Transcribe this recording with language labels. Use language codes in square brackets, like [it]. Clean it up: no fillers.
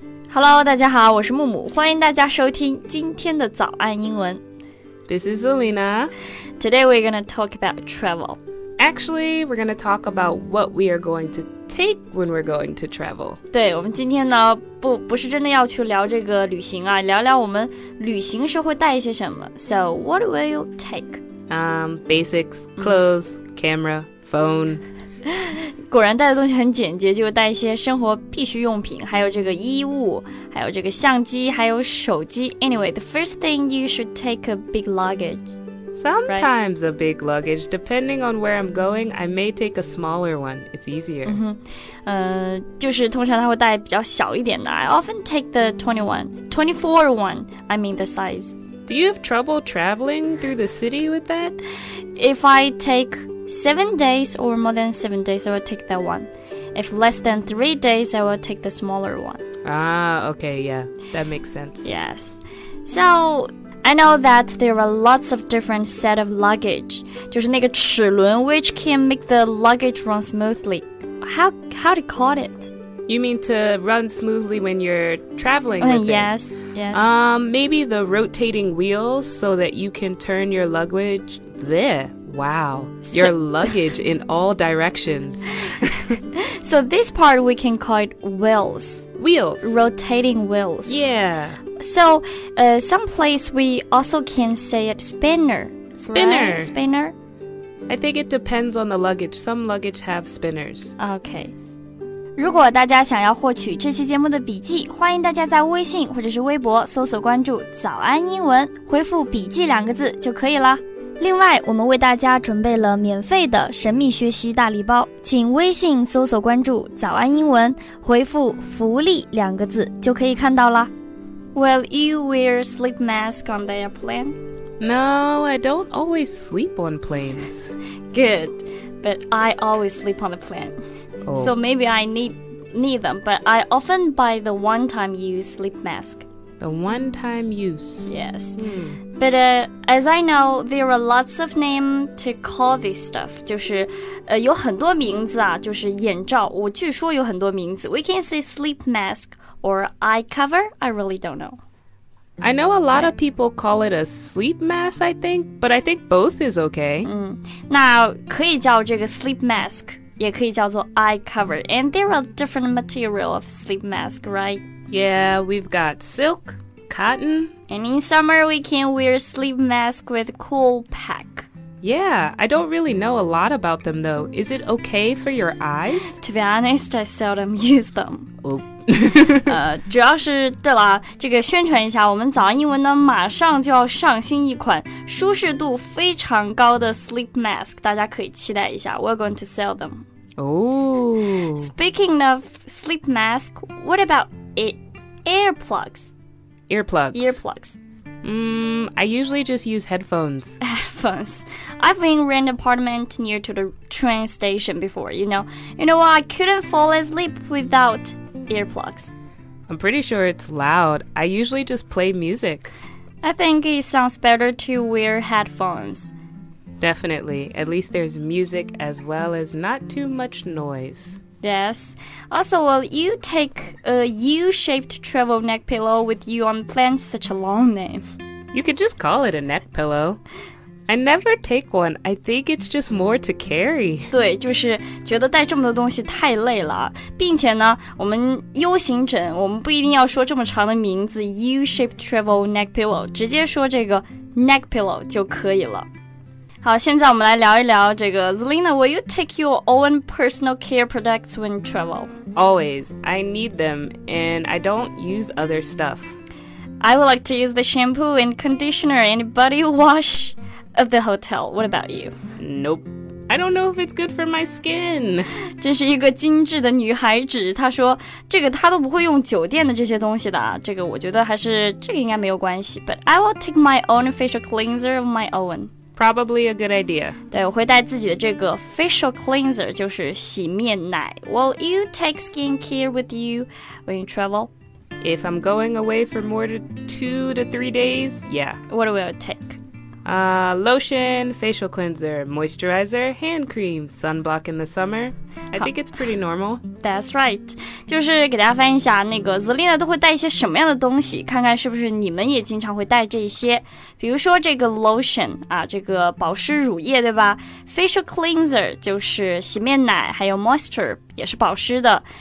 [en] Hello, [zh] 大家好，我是木木，欢迎大家收听今天的早安英文。 [en] This is Selena. Today we're going to talk about travel. Actually, we're going to talk about what we are going to take when we're going to travel. [zh] 对，我们今天呢，不是真的要去聊这个旅行啊，聊聊我们旅行时会带一些什么。 [en] So, what will you take? Basics, clothes, camera, phone. [zh] 果然带的东西很简洁，就带一些生活必需用品，还有这个衣物，还有这个相机，还有手机。 [en] Anyway, the first thing you should take a big luggage. Sometimes、right? a big luggage. Depending on where I'm going, I may take a smaller one. It's easier. [zh] 就是通常他会带比较小一点的。 [en] I often take the 24 one. I mean the size. Do you have trouble traveling through the city with that? If I take... 7 days or more than 7 days, I will take that one. If less than 3 days, I will take the smaller one. Ah, okay, yeah, that makes sense. Yes. So, I know that there are lots of different set of luggage. [zh] 就是那个齿轮 [en] which can make the luggage run smoothly. How to call it? You mean to run smoothly when you're traveling with it? Yes, yes. Maybe the rotating wheels so that you can turn your luggage there. Wow, your luggage in all directions. So this part we can call it wheels. Wheels. Rotating wheels. Yeah. So, some place we also can say it spinner. Spinner. Right? Spinner. I think it depends on the luggage. Some luggage have spinners. Okay. [zh] 如果大家想要获取这期节目的笔记，欢迎大家在微信或者是微博搜索关注早安英文，回复笔记两个字就可以了。另外，我们为大家准备了免费的神秘学习大礼包，请微信搜索关注早安英文，回复福利两个字就可以看到了。 [en] Will you wear sleep mask on the airplane? No, I don't always sleep on planes. Good, but I always sleep on the plane. Oh. So maybe I need them, but I often buy the one-time use sleep mask. The one-time use. Yes. But as I know, there are lots of names to call this stuff. [zh] 就是有很多名字啊，就是眼罩。我据说有很多名字。 [en] We can say sleep mask or eye cover. I really don't know. I know a lot of people call it a sleep mask, I think. But I think both is okay. [zh] 那可以叫这个 sleep mask, 也可以叫做 eye cover. [en] And there are different material of sleep mask, right? Yeah, we've got silk. Cotton. And in summer, we can wear a sleep mask with cool pack. Yeah, I don't really know a lot about them, though. Is it okay for your eyes? To be honest, I seldom use them. Oh. [zh] 主要是对了，这个宣传一下，我们早安英文呢马上就要上新一款舒适度非常高的 sleep mask， 大家可以期待一下。 [en] We're going to sell them. Oh. Speaking of sleep mask, what about air plugs? Earplugs. I usually just use headphones. Headphones. I've been rent apartment near to the train station before, you know. You know what? I couldn't fall asleep without earplugs. I'm pretty sure it's loud. I usually just play music. I think it sounds better to wear headphones. Definitely. At least there's music as well as not too much noise. Yes. Also, will you take a U-shaped travel neck pillow with you on the plane? Such a long name. You could just call it a neck pillow. I never take one. I think it's just more to carry. [zh] 对，就是觉得带这么多东西太累了。并且呢，我们 U 型枕，我们不一定要说这么长的名字 U-shaped travel neck pillow， 直接说这个 neck pillow 就可以了。好，现在我们来聊一聊这个 [en] Zelina, will you take your own personal care products when travel? Always. I need them, and I don't use other stuff. I would like to use the shampoo and conditioner and body wash of the hotel. What about you? Nope. I don't know if it's good for my skin. [zh] 真是一个精致的女孩子，她说这个她都不会用酒店的这些东西的，这个我觉得还是这个应该没有关系。 [en] But I will take my own facial cleanser of my own. Probably a good idea. [zh] 对，我会带自己的这个 facial cleanser, 就是洗面奶。 [en] Will you take skincare with you when you travel? If I'm going away for more than 2 to 3 days, yeah. What will it take? Lotion, facial cleanser, moisturizer, hand cream, sunblock in the summer. I think it's pretty normal. That's right. [zh] 就是给大家翻译一下那个 Zelina 都会带一些什么样的东西，看看是不是你们也经常会带这些。比如说这个 lotion, 啊，这个保湿乳液，对吧？ Facial cleanser, 就是洗面奶，还有 moisture, 也是保湿的。